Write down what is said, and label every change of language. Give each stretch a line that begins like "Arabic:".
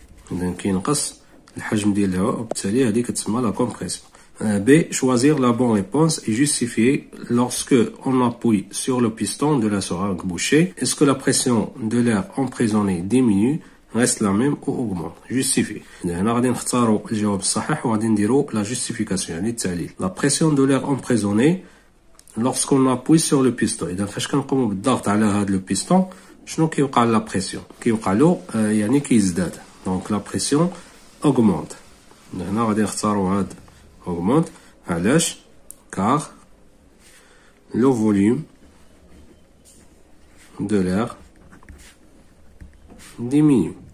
French: Donc il
Arabic: نقص الحجم ديال الهواء وبالتالي هذه كتسمى
French: لا كومبريسيون. B choisir la bonne réponse est justifié lorsque on appuie sur le piston de la seringue bouchée. Est-ce que la pression de l'air emprisonné diminue, reste la même ou augmente? Justifié.
Arabic: هنا غادي نختاروا الجواب الصحيح وغادي نديروا لا justification يعني التعليل.
French: La pression de l'air emprisonné lorsqu'on appuie sur le piston.
Arabic: اذا فاش كنقومو بالضغط على هاد لو بيستون شنو كيوقع لا بريسيون؟ كيوقع له يعني كيزداد.
French: دونك لا بريسيون اوغمونت.
Arabic: هنا غادي نختاروا هاد اوغمونت. علاش؟
French: كار لو فوليوم دو لير ديمينيو.